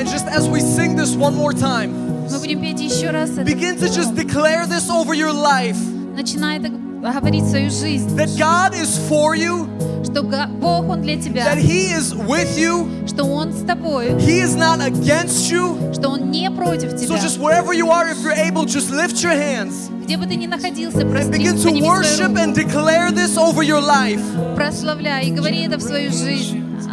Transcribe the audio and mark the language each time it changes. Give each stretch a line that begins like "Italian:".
English: And just as we sing this one more time,
Russian: мы будем петь еще раз.
English: Begin to just declare this over your life.
Russian: Начинай так говорить свою жизнь.
English: That God is for you.
Russian: Что Бог он для тебя.
English: That He is with you.
Russian: Что он с тобой.
English: He is not against you.
Russian: Что он не против тебя.
English: So just wherever you are, if you're able, just lift your hands.
Russian: Где бы ты ни находился, прости.
English: And begin to worship and declare this over your life.
Russian: Прославляй и говори это в свою жизнь.